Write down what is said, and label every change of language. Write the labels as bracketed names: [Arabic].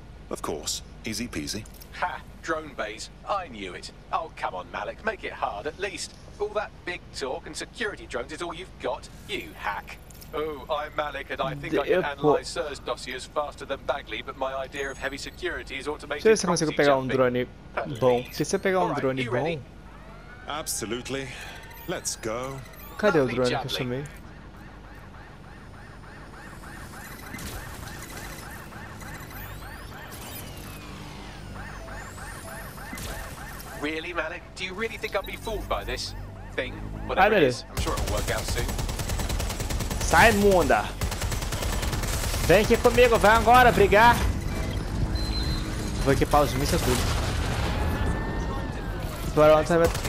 [English] Of course. Easy peasy. Ha! Drone base. I knew it. Oh, come on, Malik. Make it hard, at least. All that big talk and security drones is all you've got, you hack. Oh, I'm Malik and I think I can analyze Sir's dossiers faster than Bagley, but my idea of heavy security is automated. [Portuguese] Deixa eu ver se eu consigo pegar um drone bom. Se você pegar um drone bom. [English] Absolutely. Let's go. [Portuguese] Cadê o drone que eu chamei? [English] Really, Malik? Do you really think I'll be fooled by this thing? Whatever it is, I'm sure it'll work out soon. [Portuguese] Sai, munda! Vem aqui comigo, vai agora brigar! Vou equipar os mísseis tudo. Agora onde você vai...